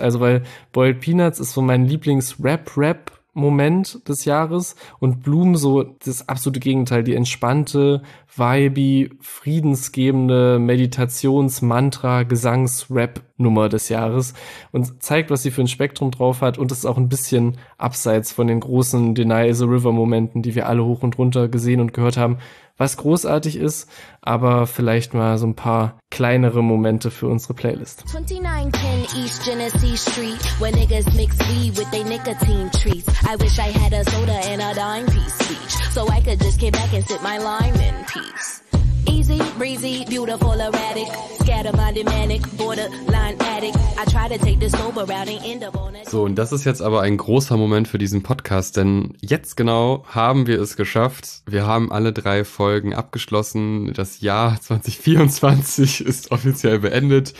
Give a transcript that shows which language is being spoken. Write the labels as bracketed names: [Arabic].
[German] Also weil Boiled Peanuts ist so mein Lieblings-Rap-Rap Moment des Jahres und Bloom so das absolute Gegenteil, die entspannte, vibey, friedensgebende Meditations-Mantra-Gesangs-Rap-Nummer des Jahres und zeigt, was sie für ein Spektrum drauf hat und ist auch ein bisschen abseits von den großen Deny is a River-Momenten, die wir alle hoch und runter gesehen und gehört haben, was großartig ist, aber vielleicht mal so ein paar kleinere Momente für unsere Playlist. [English] 2910 East Genesee Street, where niggas mix weed with they nicotine treats. I wish I had a soda and a dime piece speech, so I could just get back and sit my lime in peace. Easy, breezy, beautiful, erratic, scatter-minded, manic, borderline addict. I try to take this over round and end up on it. [German] So, und das ist jetzt aber ein großer Moment für diesen Podcast, denn jetzt genau haben wir es geschafft. Wir haben alle drei Folgen abgeschlossen. Das Jahr 2024 ist offiziell beendet.